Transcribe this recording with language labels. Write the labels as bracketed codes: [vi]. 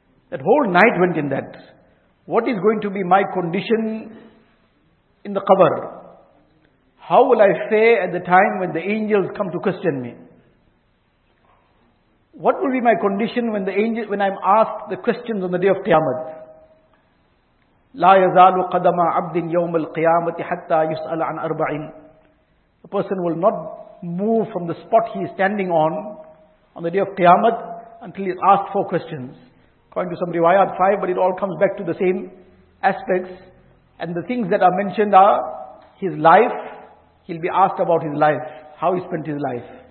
[en] That whole night went in that. What is going to be my condition in the qabr? How will I fare at the time when the angels come to question me? What will be my condition when the angel, when I'm asked the questions on the day of Qiyamah? [ar] لا يزال قدم عبد يوم القيامة حتى يسأل عن أربعين. [en] The person will not move from the spot he is standing on the day of Qiyamah, until he is asked four questions. According to some riwayat, five, but it all comes back to the same aspects. And the things that are mentioned are his life. He'll be asked about his life, how he spent his life.